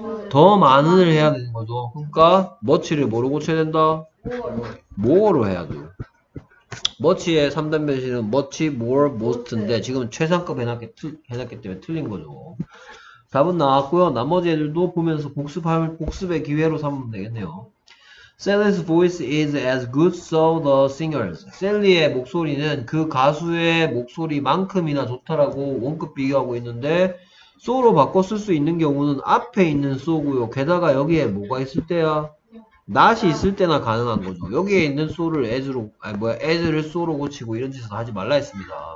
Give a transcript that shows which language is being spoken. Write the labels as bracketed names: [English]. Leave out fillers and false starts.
[Korean] 더 많은 을 해야 되는 거죠. 그러니까 머치를 뭐로 고쳐야 된다? 뭐로 해야 돼요. 머치의 3단 변신은 머치, 모어, 모스트인데 지금 최상급 해놨기 때문에 틀린 거죠. 답은 나왔고요. 나머지 애들도 보면서 복습의 기회로 삼으면 되겠네요. [English] Sally's voice is as good so the singers. [Korean] Sally의 목소리는 그 가수의 목소리만큼이나 좋다라고 원급 비교하고 있는데 so로 바꿔 쓸 수 있는 경우는 앞에 있는 so고요. 게다가 여기에 뭐가 있을 때야? not이 있을 때나 가능한 거죠. 여기에 있는 so를 as로, 아니 뭐야, as를 so로 고치고 이런 짓은 하지 말라 했습니다.